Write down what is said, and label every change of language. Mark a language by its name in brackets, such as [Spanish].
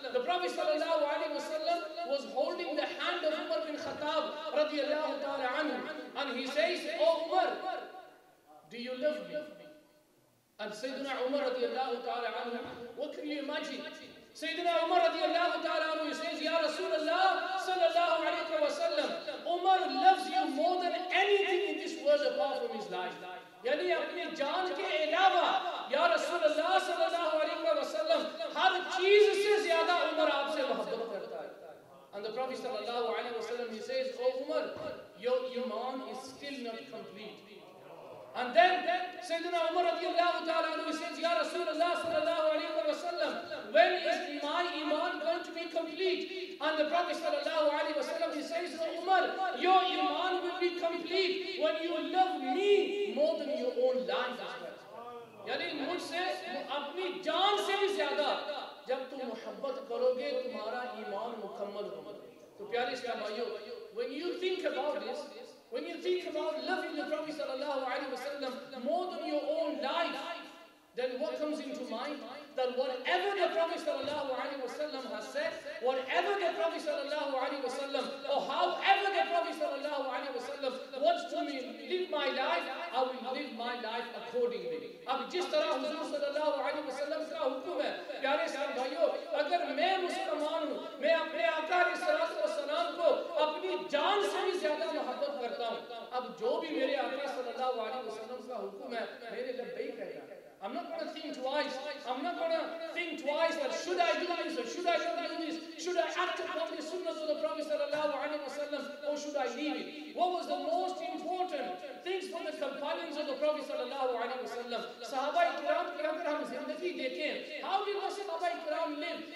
[English] The Prophet sallallahu alaihi wasallam was holding the hand of Umar bin Khattab radiyallahu ta'ala anhu, and he says, O Umar, do you love me? And Sayyidina Umar radiyallahu ta'ala anhu, what can you imagine? Sayyidina Umar radiyallahu ta'ala anhu, he says, Ya Rasulullah sallallahu alaihi wasallam, Umar loves you more than anything in this world apart from his life. [Urdu] یعنی اپنی جان کے علاوہ یا رسول اللہ صلی اللہ علیہ وسلم ہر چیز سے زیادہ عمر آپ سے محبت کرتا ہے. [English] And the Prophet صلی اللہ علیہ وسلم, he says, O Umar, your iman is still not complete. And then سیدنا عمر رضی اللہ تعالیٰ عنہ, he says, یا رسول اللہ صلی اللہ علیہ وسلم, when is my iman going to be complete? And the Prophet صلی اللہ علیہ وسلم, he says, O Umar, your iman will be complete when you love me more than your own life as well. [Urdu] یعنی مجھ سے اپنی جان سے بھی زیادہ جب تم محبت کرو گے تمہارا ایمان مکمل ہوگا. تو پیارے اسلام بھائیو, [English] when you think about this, when you think about loving the Prophet sallallahu alaihi wasallam more than your own life, then what comes into mind? That whatever the Prophet sallallahu alaihi wasallam has said, whatever the Prophet sallallahu alaihi wasallam, or however the Prophet sallallahu alaihi wasallam wants to me live my life, I will live my life accordingly. [Urdu] اب جس طرح حضور صلی اللہ علیہ وسلم کا حکم ہے, پیارے اسلام بھائیو, اگر میں مسلمان ہوں, میں اپنے آقا علیہ الصلوۃ والسلام کو اپنی جان سے بھی زیادہ محبت کرتا ہوں, اب جو بھی میرے آقا صلی اللہ علیہ وسلم کا حکم ہے میرے لبیک کہے گا. [English] I'm not going to think twice. I'm not going to think twice that should I do this or should I not do this? Should I act upon the sunnah of the Prophet sallallahu alaihi wasallam or should I leave it? What was the most important things from the companions of the Prophet sallallahu alaihi wasallam? [Urdu] Sahaba ikram ki agar hum zindagi dekhein, [English] how did the Sahaba ikram live?